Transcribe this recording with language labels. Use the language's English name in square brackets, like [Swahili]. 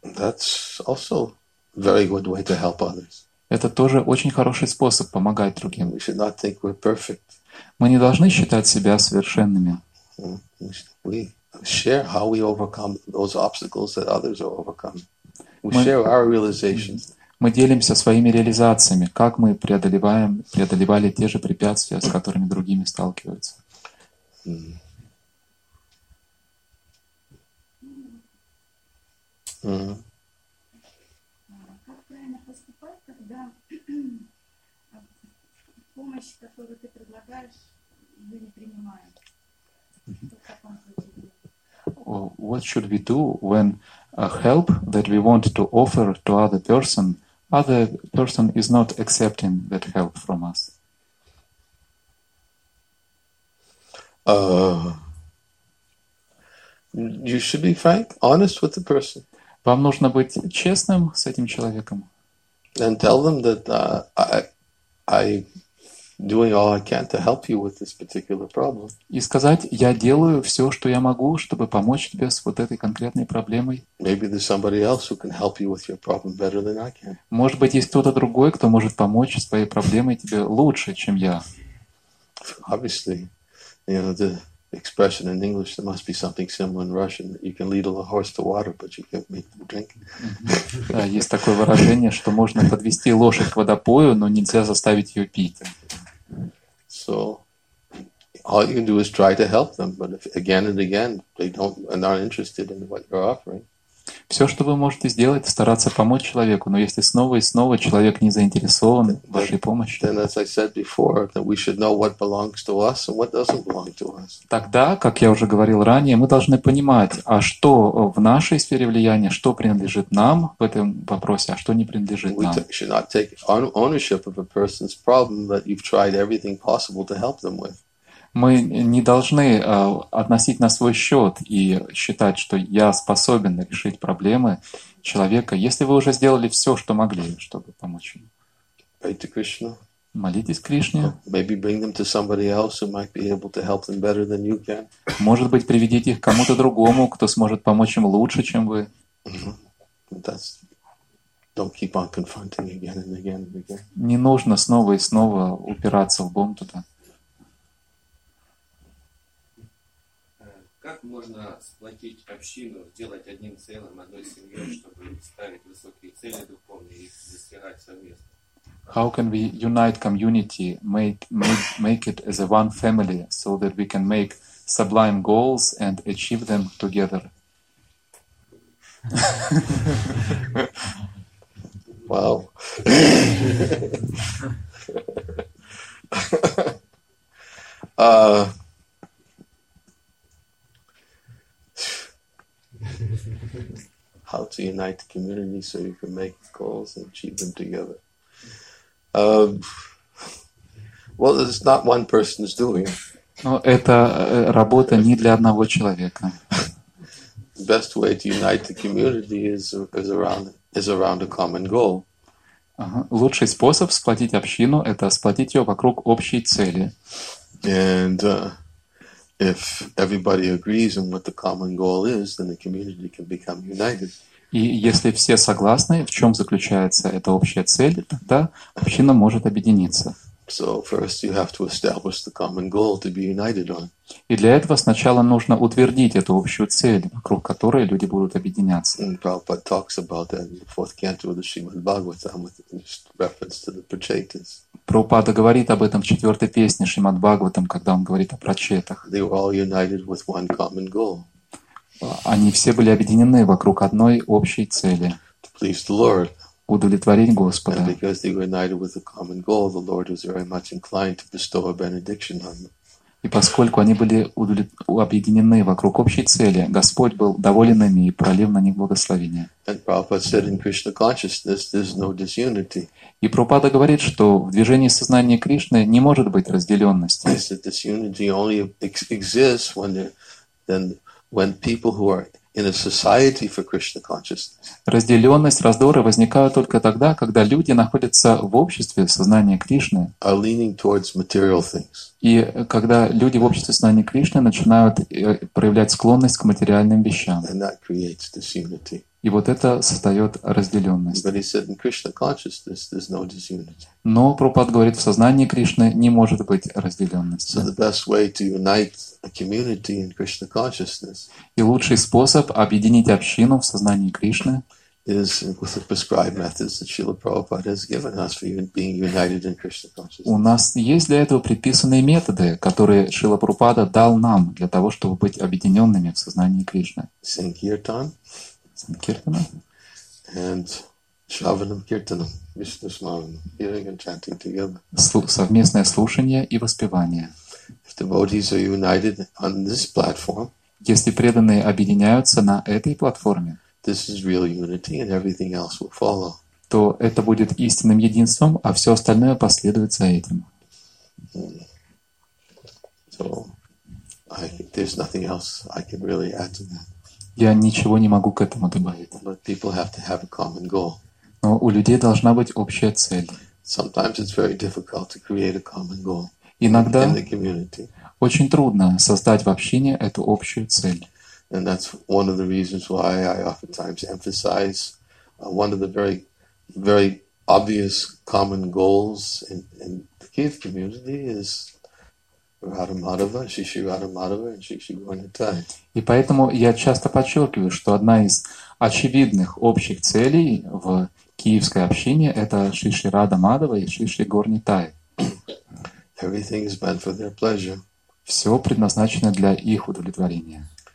[English] That's also a very good way to help others. [Russian] Это тоже очень хороший способ помогать другим. [English] We should not think we're perfect. [Russian] Мы не должны считать себя совершенными. [English] We share how we overcome those obstacles that others are overcoming. We share our realizations. [Russian] Мы делимся своими реализациями, как мы преодолеваем, преодолевали те же препятствия, с которыми другими сталкиваются. Как правильно поступать, когда помощь, которую ты предлагаешь, ее не принимают? [English] What should we do when a help that we want to offer to other person is not accepting that help from us? You should be frank, honest with the person. [Russian] Вам нужно быть честным с этим человеком. [English] And tell them that I doing all I can to help you with this particular problem. [Russian] И сказать, я делаю все, что я могу, чтобы помочь тебе с вот этой конкретной проблемой. [English] Maybe there's somebody else who can help you with your problem better than I can. [Russian] Может быть, есть кто-то другой, кто может помочь с твоей проблемой тебе лучше, чем я. [English] Obviously, you know, the expression in English, there must be something similar in Russian, that you can lead a horse to water, but you can't make them drink. [Russian] Да, есть такое выражение, что можно подвести лошадь к водопою, но нельзя заставить ее пить. [English] So all you can do is try to help them, but if again and again they don't and aren't interested in what you're offering. [Russian] Все, что вы можете сделать, стараться помочь человеку, но если снова и снова человек не заинтересован в вашей помощи, [English] then as I said before, that we should know what belongs to us and what doesn't belong to us. [Russian] Тогда, как я уже говорил ранее, мы должны понимать, а что в нашей сфере влияния, что принадлежит нам в этом вопросе, а что не принадлежит нам. [English] We should not take ownership of a person's problem that you've tried everything possible to help them with. [Russian] Мы не должны относить на свой счет и считать, что я способен решить проблемы человека, если вы уже сделали все, что могли, чтобы помочь ему. [English] Pray to Krishna. [Russian] Молитесь Кришне. [English] Maybe bring them to somebody else who might be able to help them better than you can. [Russian] Может быть, приведите их к кому-то другому, кто сможет помочь им лучше, чем вы. [English] Don't keep on confronting again and again and again. [Russian] Не нужно снова и снова упираться лбом туда. Как можно сплотить общину, сделать одним целым, одной семьей, чтобы ставить высокие цели духовные и достигать совместно? [English] How can we unite community, make it as a one family, so that we can make sublime goals and achieve them together? Wow. How to unite the community so you can make goals and achieve them together. Well, it's not one person's doing. [Russian] Но это работа не для одного человека. [English] The best way to unite the community is around a common goal. [Russian] Лучший способ сплотить общину — это сплотить ее вокруг общей цели. [English] And if everybody agrees on what the common goal is, then the community can become united. [Russian] И если все согласны, в чем заключается эта общая цель, тогда община может объединиться. [English] So first you have to establish the common goal to be united on. [Russian] И для этого сначала нужно утвердить эту общую цель, вокруг которой люди будут объединяться. [English] And Prabhupada talks about that in the fourth canto of the Srimad Bhagavatam with reference to the Prachetas. [Russian] Прабхупада говорит об этом в четвертой песне Шримад Бхагаватам, когда он говорит о прачетах. [English] They were all united with one common goal. [Russian] Они все были объединены вокруг одной общей цели. [English] To please the Lord. [Russian] Удовлетворить Господа. [English] And because they were united with a common goal, the Lord was very much inclined to bestow a benediction on them. [Russian] И поскольку они были объединены вокруг общей цели, Господь был доволен ими и пролил на них благословение. [English] And Prabhupada said in Krishna consciousness, there's no disunity. [Russian] И Прабхупада говорит, что в движении сознания Кришны не может быть разделенности. [English] He said disunity only exists when people who are in a society for Krishna consciousness. [Russian] Разделенность, раздоры возникают только тогда, когда люди находятся в обществе сознания Кришны. [English] Are leaning towards material things. [Russian] И когда люди в обществе сознания Кришны начинают проявлять склонность к материальным вещам. [English] And that creates disunity. [Russian] И вот это создает разделенность. [English] But he said in Krishna consciousness there's no disunity. [Russian] Но Прабхупада говорит, в сознании Кришны не может быть разделенности. [English] So the best way to unite the community in Krishna consciousness. [Russian] И лучший способ объединить общину в сознании Кришны [English] is with the prescribed methods that Srila Prabhupada has given us for being united in Krishna consciousness. [Russian] У нас есть для этого предписанные методы, которые Шрила Прабхупада дал нам для того, чтобы быть объединенными в сознании Кришны. [English] Sankirtan. [Russian] Sankirtana. [Sanskrit] And Shravanam Kirtanam. Vishnu Smaranam. [English] Hearing and chanting together. [Russian] Совместное слушание и воспевание. [English] If devotees are united on this platform, [Russian] если преданные объединяются на этой платформе, [English] this is real unity and everything else will follow. [Russian] То это будет истинным единством, а все остальное последует за этим. [English] So, I think there's nothing else I can really add to that. [Russian] Я ничего не могу к этому добавить. [English] But people have to have a common goal. [Russian] Но у людей должна быть общая цель. [English] Sometimes it's very difficult to create a common goal. [Russian] Иногда [English] in the community. [Russian] Очень трудно создать в общине эту общую цель. [English] And that's one of the reasons why I oftentimes emphasize one of the very, very obvious common goals in the Kiev community is Radha Madhava, Shishi Radha Madhava, and Shishi Gornatai. [Russian] И поэтому я часто подчеркиваю, что одна из очевидных общих целей в киевской общине — это Шиши Радха Мадхава и Шиши Горнитай. [English] Everything is meant for their pleasure. [Russian] Все предназначено для их удовлетворения.